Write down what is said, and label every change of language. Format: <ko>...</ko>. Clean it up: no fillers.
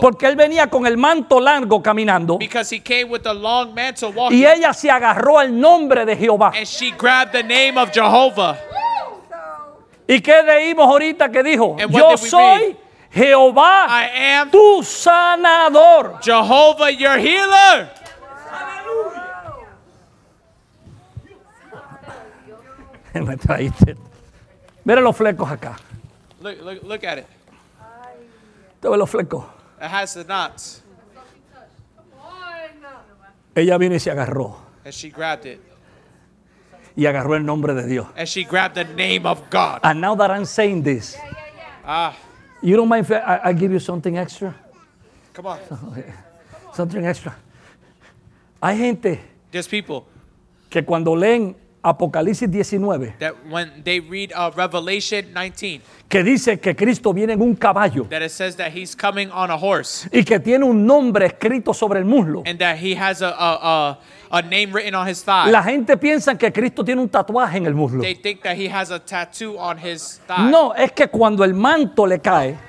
<es>Porque él venía con el manto largo caminando.</es> <en>Because he came with the long mantle walking.</en> <es>Y ella se agarró al nombre de Jehová.</es> <en>And she grabbed the name of Jehovah.</en> <es>¿Y qué leímos ahorita que dijo?</es> <en>And what</en> <es>yo</es> <en>did we</en> <es>soy</es> <en>read?</en> <es>Jehová,</es> <en>I am</en> <es>tu sanador.</es> <en>Jehovah, your healer.</en> <es>Me traíste. Mira los flecos acá.</es> <en>Look at it.</en> <es>Te ve los flecos.</es> <en>It has the knots.</en> <es>Ella vino y se agarró.</es> <en>And she grabbed it.</en> <es>Y agarró el nombre de Dios.</es> <en>And she grabbed the name of God. And now that I'm saying this, you don't mind if I give you something extra? Come on. Something extra.</en> <es>Hay gente.</es> <en>There's people.</en> <es>Que cuando leen Apocalipsis 19.</es> <en>That when they read Revelation 19.</en> <es>Que dice que Cristo viene en un caballo.</es> <en>That it says that he's coming on a horse.</en> <es>Y que tiene un nombre escrito sobre el muslo.</es> <en>And that he has a name written on his thigh.</en> <es>La gente piensa que Cristo tiene un tatuaje en el muslo.</es> <en>They think that he has a tattoo on his thigh.</en> <es>No, es que cuando el manto le cae.</es>